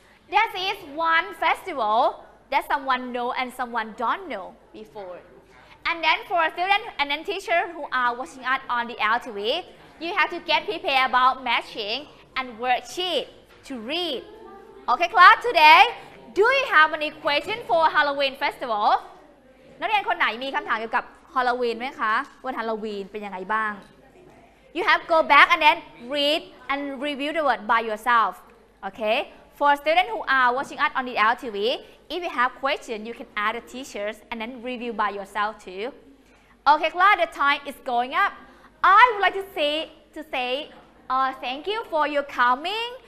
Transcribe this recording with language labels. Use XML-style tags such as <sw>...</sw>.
<en>That is one festival that someone know and someone don't know before. And then for a student and then teacher who are watching us on the LTV, you have to get prepared about matching and worksheet to read. Okay, class, today, do you have any question for Halloween festival?</en> <th>นักเรียนคนไหนมีคำถามเกี่ยวกับ Halloween ไหมคะ วัน Halloween เป็นยังไงบ้าง?</th> <en>You have go back and then read and review the word by yourself. Okay? For students who are watching us on the LTV, if you have questions, you can ask the teachers and then review by yourself too. Okay, class, the time is going up. I would like to say thank you for your coming.</en>